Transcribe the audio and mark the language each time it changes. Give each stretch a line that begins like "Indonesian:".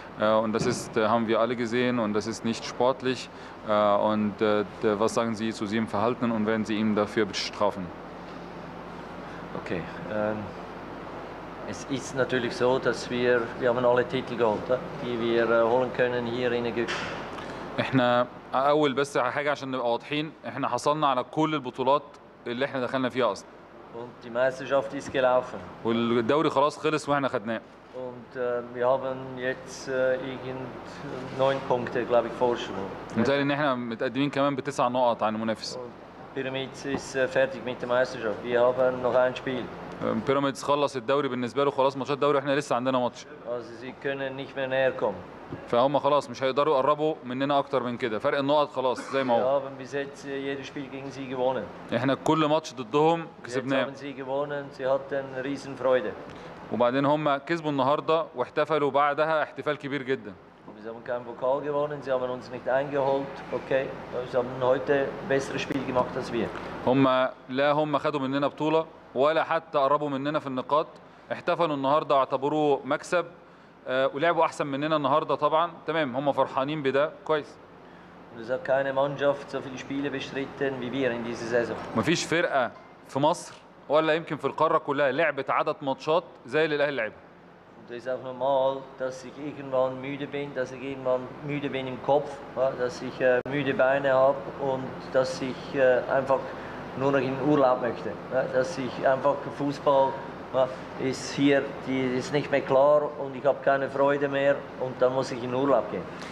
German: Und das ist, haben wir alle gesehen und das ist nicht sportlich. Und was sagen Sie zu seinem Verhalten und werden Sie ihn dafür bestrafen? Okay, es ist natürlich so, dass wir haben alle Titel geholt, die wir holen können hier in Ägypten.
Arabic: احنا اول بس حاجه عشان نبقى واضحين احنا حصلنا على كل البطولات اللي احنا دخلنا فيها اصلا.
German: Und die Meisterschaft ist gelaufen.
Arabic: والدوري خلاص خلص واحنا خدناه.
German: Und wir haben jetzt irgend 9 Punkte, glaube ich, Vorsprung.
Arabic: متهيألي ان احنا متقدمين كمان بتسع نقط عن المنافس.
German: Pyramids ist fertig mit der Meisterschaft. Wir haben noch ein Spiel.
Arabic: Pyramids خلص الدوري بالنسبة له خلاص ماتشات الدوري احنا لسه عندنا ماتش.
German: Also sie können nicht mehr näher kommen.
Arabic: فهم خلاص مش هيقدروا يقربوا مننا أكتر من كده، فرق النقط خلاص زي ما هو.
German: Wir haben bis jetzt jedes Spiel gegen sie gewonnen.
Arabic: احنا كل ماتش ضدهم كسبناه.
German: Jetzt haben sie gewonnen. Sie hatten riesen Freude.
Arabic: وبعدين هم كسبوا النهاردة واحتفلوا بعدها احتفال كبير جدا.
German: Sie haben keinen Pokal gewonnen, sie haben uns nicht eingeholt. Okay, sie haben heute ein besseres Spiel gemacht als wir.
Arabic: هم لا هم خدوا مننا بطولة ولا حتى قربوا مننا في النقاط. احتفلوا النهاردة واعتبروه مكسب ولعبوا أحسن مننا النهاردة طبعا. تمام هم فرحانين بده كويس.
German: Es hat keine Mannschaft so viele Spiele bestritten wie wir in dieser Saison.
Arabic: مفيش فرقة في مصر ولا يمكن في القارة كلها لعبت عدد ماتشات زي اللي الأهلي لعبها.
German: Das ist auch normal, dass ich irgendwann müde bin, dass ich irgendwann müde bin im Kopf, dass ich müde Beine habe und dass ich einfach nur noch in Urlaub möchte. Dass ich einfach Fußball ist hier, die ist nicht mehr klar und ich habe keine Freude mehr und dann muss ich in Urlaub gehen.